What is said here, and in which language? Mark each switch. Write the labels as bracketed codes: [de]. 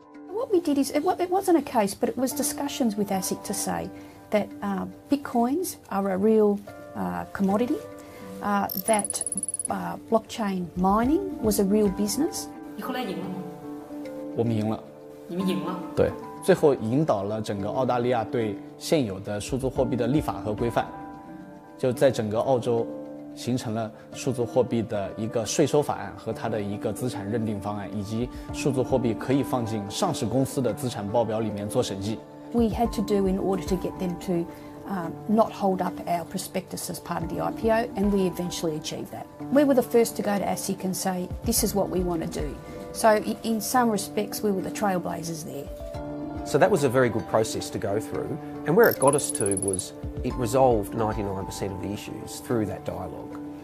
[en] What we did is, it wasn't a case, but it was discussions with ASIC to say,that bitcoins are a real commodity, that blockchain mining was a real business. [zh] 你后来赢了吗？我们赢了。你们赢了？对，最后引导了整个澳大利亚对现有的数字货币的立法和规范，就在整个澳洲形成了数字货币的一个税收法案和它的一个资产认定方案，以及数字货币可以放进上市公司的资产报表里面做审计。 [en] We had to do in order to get them to not hold up our prospectus as part of the IPO, and we eventually achieved that. We were the first to go to ASIC and say, this is what we want to do. So in some respects, we were the trailblazers there. So that was a very good process to go through, and where it got us to was it resolved 99% of the issues through that dialogue.